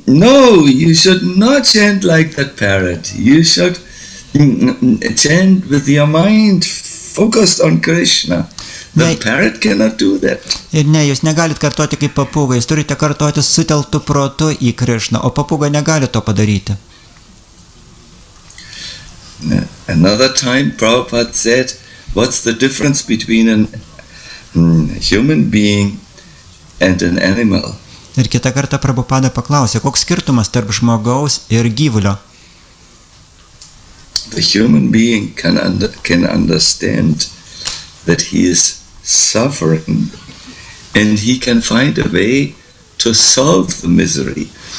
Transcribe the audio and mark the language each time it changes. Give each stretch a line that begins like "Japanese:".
English: No, you should not chant like that parrot. You should chant with your mind focused on Krishna. The parrot cannot do that.
Lithuanian: Ir ne, jūs negalit kartoti kaip papūga, jūs turite kartoti suteltu protu į Krišną, o papūga negali to padaryti.
English: Another time Prabhupada said, what's the difference between a human being and an animal?
Lithuanian: Ir kitą kartą Prabhupada paklausė, koks skirtumas tarp žmogaus ir gyvulio?
English: The human being can understand that he is suffering and he can find a way to solve the misery.